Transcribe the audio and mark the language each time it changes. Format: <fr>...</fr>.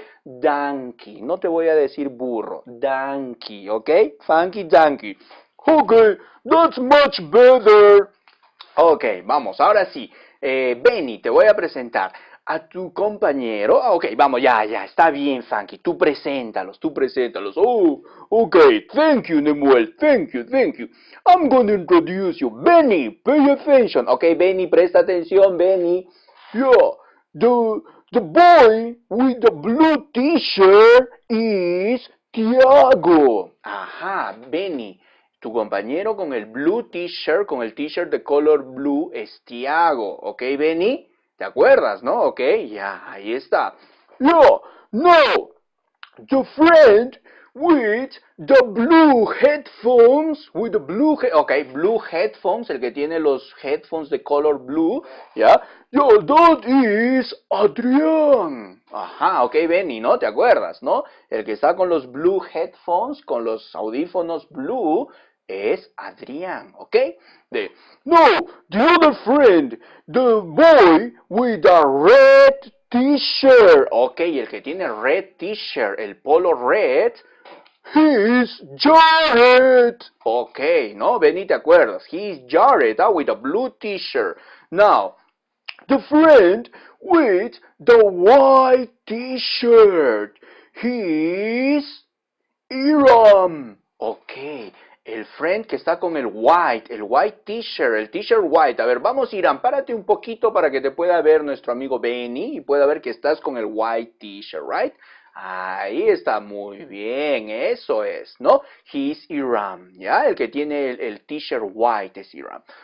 <es>Donkey, no te voy a decir burro, donkey, ¿ok?</es> <en>Funky, donkey. Ok, that's much better.</en> <es>Ok, vamos, ahora sí. Benny, te voy a presentar a tu compañero. Ok, vamos, ya, ya, está bien, Funky, tú preséntalos, tú preséntalos.</es> <en>Oh, ok, thank you, Nemuel, thank you, thank you. I'm going to introduce you, Benny, pay attention.</en> <es>Ok, Benny, presta atención, Benny.</es> <en>Yeah, the boy with the blue t-shirt is Tiago.</en> <es>Ajá, Benny, tu compañero con el blue t-shirt, con el t-shirt de color blue, es Tiago. Ok, Benny, ¿te acuerdas, no? Ok, ya, yeah, ahí está.</es> <en>Yeah, no, the friend with the blue headphones, with the blue okay, blue headphones,</en> <es>el que tiene los headphones de color blue, ¿ya?</es> <en>Yeah, that is Adrián.</en> <es>Ajá, ok, Benny, ¿no? ¿Te acuerdas, no? El que está con los blue headphones, con los audífonos blue, es Adrián, ¿ok?</es> <en>De, no, the other friend, the boy with the red t-shirt.</en> <es>Ok, el que tiene red t-shirt, el polo red,</es> <en>he's Jared. Ok,</en> <es>¿no? Benny, ¿te acuerdas?</es> <en>He's Jared, ¿ah? With a blue t-shirt. Now, the friend with the white t-shirt, he's Iram.</en> <es>Ok, el friend que está con el white t-shirt, el t-shirt white. A ver, vamos, Iram, párate un poquito para que te pueda ver nuestro amigo Benny y pueda ver que estás con el white t-shirt, ¿right? Ahí está, muy bien, eso es, ¿no?</es> <en>He's Iram,</en> <es>¿ya? El que tiene el t-shirt white es Iram.</es>